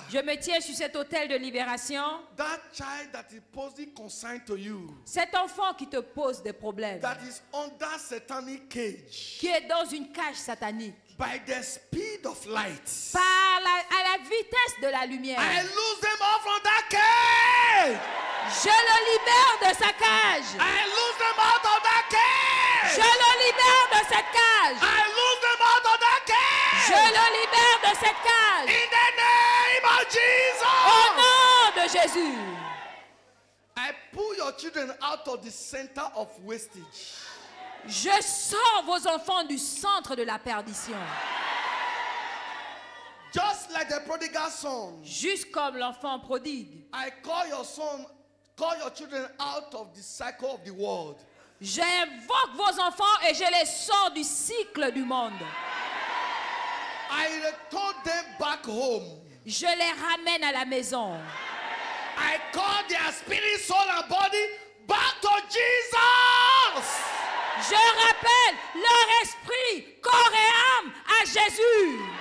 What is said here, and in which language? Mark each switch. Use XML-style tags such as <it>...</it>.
<fr>Je me tiens sur cet autel de libération.</fr> <en>That child that is posing concern to you.</en> <fr>Cet enfant qui te pose des problèmes.</fr> <en>That is under satanic cage.</en> <fr>Qui est dans une cage satanique.</fr> <en>By the speed of light.</en> <fr>Par la, à la vitesse de la lumière.</fr> <en>I lose them all from that cage.</en> <fr>Je le libère de sa cage.</fr> <en>I lose them out of that cage.</en> <fr>Je le libère de cette cage.</fr> <en>I lose them out of that cage.</en> <fr>Je le libère de cette cage.</fr> <en>In the name of Jesus.</en> <fr>Au nom de Jésus.</fr> <en>I pull your children out of the center of wastage.</en> <fr>Je sors vos enfants du centre de la perdition.</fr> <en>Just like the prodigal son.</en> <fr>Juste comme l'enfant prodigue.</fr> <en>I call your son. Call your children out of the cycle of the world.</en> <fr>J'invoque vos enfants et je les sors du cycle du monde.</fr> <en>I return them back home.</en> <fr>Je les ramène à la maison.</fr> <en>I call their spirit, soul and body back to Jesus.</en> <fr>Je rappelle leur esprit, corps et âme à Jésus.</fr>